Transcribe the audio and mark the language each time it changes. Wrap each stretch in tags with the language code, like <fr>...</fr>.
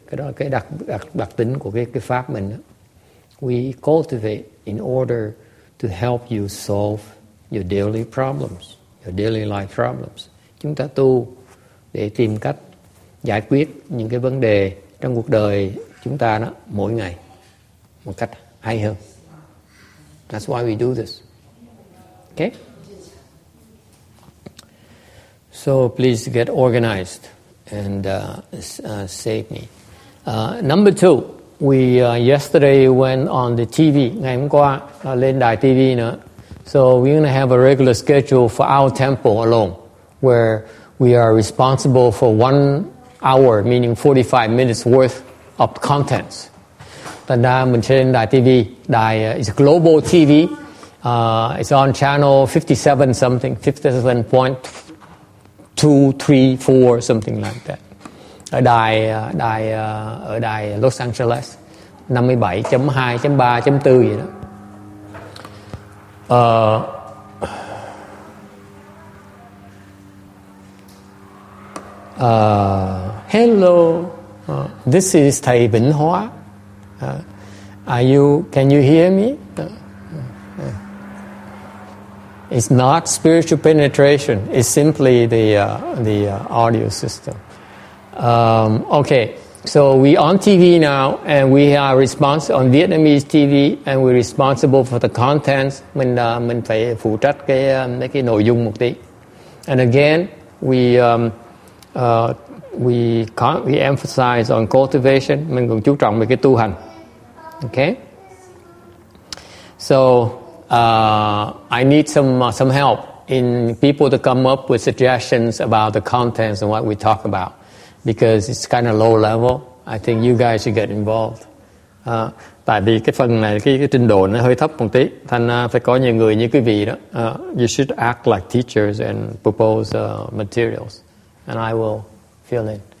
<vi>Cái đó là cái đặc tính của cái pháp mình.</vi> <en>We cultivate in order to help you solve your daily problems, your daily life problems.</en> <vi>Chúng ta tu để tìm cách giải quyết những cái vấn đề trong cuộc đời chúng ta đó mỗi ngày một cách hay hơn.</vi> <en>That's why we do this. Okay? So please get organized and save me. Number two, yesterday went on the TV.</en> <vi>Ngày hôm qua lên đài TV nữa.</vi> <en>So we're going to have a regular schedule for our temple alone, where we are responsible for 1 hour, meaning 45 minutes worth of contents.</en> <vi>Thành ra mình sẽ lên đài TV.</vi> <en>Đài is global TV. It's on channel 57 something, 57.234 something like that.</en> <vi>Ở đài Los Angeles, 57.2.3.4 vậy đó.</vi> <en>Hello. This is Thầy Bình Hoa. Can you hear me? It's not spiritual penetration. It's simply the audio system. Okay. So we on TV now, and we are responsible on Vietnamese TV, and we're responsible for the contents.</en> <vi>Mình phải phụ trách cái nội dung một tí.</vi> <en>And again, we emphasize on cultivation.</en> <vi>Mình còn chú trọng về cái tu hành.</vi> <en>Okay. So I need some help in people to come up with suggestions about the contents and what we talk about. Because it's kind of low level, I think you guys should get involved.</en> <vi>Tại vì cái phần này cái trình độ nó hơi thấp một tí, thành phải có nhiều người như quý vị đó.</vi> <en>You should act like teachers and propose materials, and I will fill in.</en>